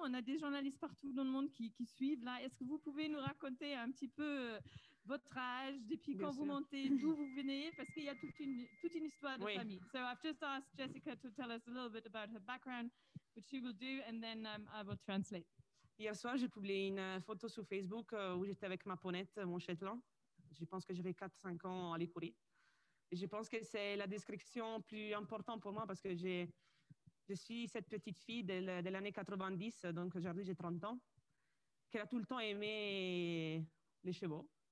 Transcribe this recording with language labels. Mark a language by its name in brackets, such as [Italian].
[French] On a des journalistes partout dans le monde qui suivent là. Est-ce que vous pouvez nous raconter un petit peu votre âge, depuis quand vous montez, d'où vous venez? Parce qu'il y a toute une histoire de famille. [English] So I've just asked Jessica to tell us a little bit about her background, which she will do, and then I will translate. [French] Hier soir, j'ai publié une photo sur Facebook où j'étais avec ma ponette, mon Shetland. Je pense que j'avais 4-5 ans à aller courir. Et je pense que c'est la description plus importante pour moi parce que je suis cette petite fille de l'année 90, donc aujourd'hui j'ai 30 ans, qui a tout le temps aimé les chevaux.